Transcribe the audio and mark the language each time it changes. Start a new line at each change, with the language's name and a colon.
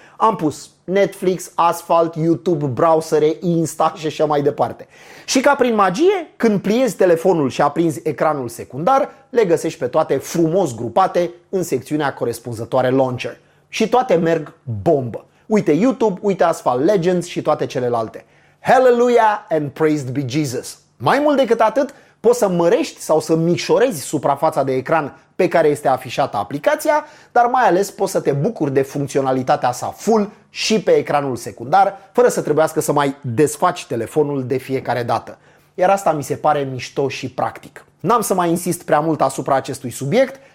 Romanian: Am pus Netflix, Asphalt, YouTube, browsere, Insta și așa mai departe. Și ca prin magie, când pliezi telefonul și aprinzi ecranul secundar, le găsești pe toate frumos grupate în secțiunea corespunzătoare Launcher. Și toate merg bombă. Uite YouTube, uite Asphalt Legends și toate celelalte.
English: Hallelujah and praised be Jesus!
Romanian: Mai mult decât atât, poți să mărești sau să micșorezi suprafața de ecran pe care este afișată aplicația, dar mai ales poți să te bucuri de funcționalitatea sa full și pe ecranul secundar, fără să trebuiască să mai desfaci telefonul de fiecare dată. Iar asta mi se pare mișto și practic. N-am să mai insist prea mult asupra acestui subiect.